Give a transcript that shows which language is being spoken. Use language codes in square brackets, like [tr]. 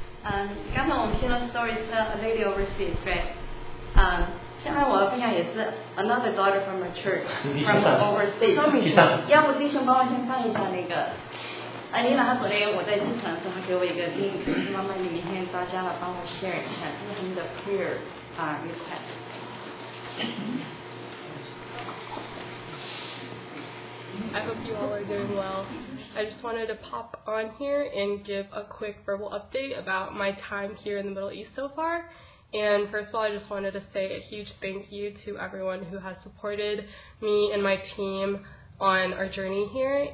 [zh] 刚才我们听到 story 是 [en] a lady overseas, right? [zh] 现在我的分享也是 [en] another daughter from a church from overseas. [zh] 说明是，要不弟兄帮我先放一下那个。你拿昨天我在机场的时候给我一个 link, 妈妈你明天到家了帮我 share 一下，这是你的 [en] prayer request。 I hope you all are doing well. I just wanted to pop on here and give a quick verbal update about my time here in the Middle East so far. And first of all, I just wanted to say a huge thank you to everyone who has supported me and my team on our journey here.